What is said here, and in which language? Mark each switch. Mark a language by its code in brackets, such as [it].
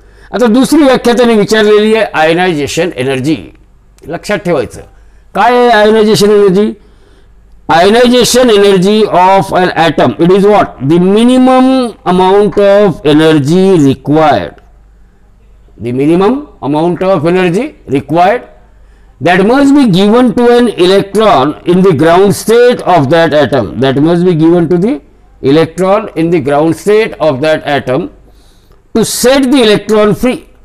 [mr] आता दुसरी व्याख्या त्याने विचारलेली आहे आयनायझेशन एनर्जी. लक्षात ठेवायचं काय आहे ionization energy. [en] Ionisation energy of an atom it is what? The minimum amount of energy required. The minimum amount of energy required that must be given to an electron in the ground state of that atom, that must be given to the electron in the ground state of that atom to set the electron free.